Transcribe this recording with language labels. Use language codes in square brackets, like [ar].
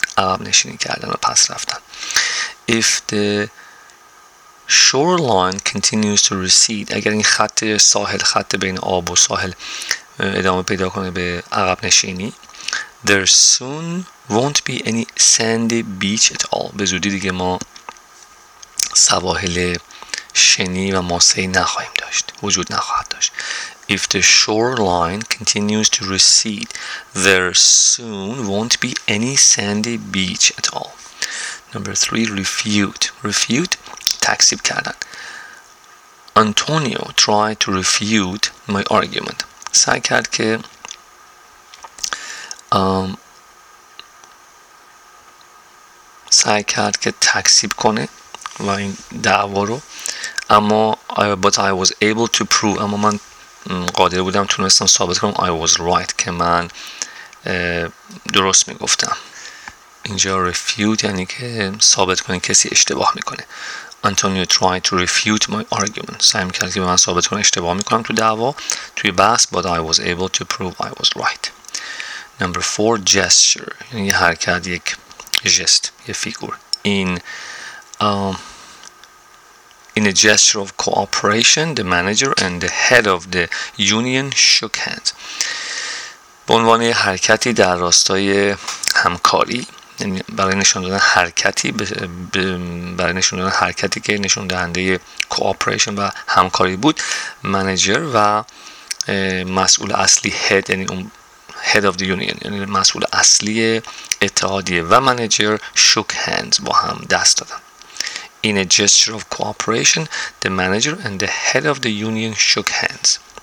[fa] عقب نشینی کردن و پس رفتن. [en] If the shoreline continues to recede, [fa] اگر این خط ساحل, خط بین آب و ساحل ادامه پیدا کنه به عقب نشینی, [en] there soon won't be any sandy beach at all. [fa] به زودی دیگه ما سواحل شنی و ماسه‌ای نخواهیم داشت. وجود نخواهد داشت. [en] If the shoreline continues to recede, there soon won't be any sandy beach at all. Number 3, refute. Refute, [fa] تکذیب کردن. [en] Antonio tried to refute my argument. [fa] سعی کرد که تکذیب کنه و این دعوا رو. اما [en] but I was able to prove, [fa] اما من قادر بودم, تونستم ثابت کنم, [en] I was right, [fa] که من درست میگفتم. اینجا refute یعنی که ثابت کنه کسی اشتباه میکنه. [en] Antonio tried to refute my argument. [fa] سعی میکرد که من ثابت کنم اشتباه میکنم تو دعوا, توی بحث, [en] but I was able to prove I was right. Number 4, gesture. [fa] یعنی یه حرکت, یک جست, یه فیگور. [en] In a gesture of cooperation, the manager and the head of the union shook hands. [fa] به عنوان حرکتی در راستای همکاری, برای نشون دادن حرکتی که نشون دهنده cooperation و همکاری بود, manager و مسئول اصلی, head, یعنی اون [en] head of the union, [fa] یعنی مسئول اصلی اتحادیه, و manager [en] shook hands, [fa] با هم دست دادن. [en] In a gesture of cooperation, the manager and the head of the union shook hands.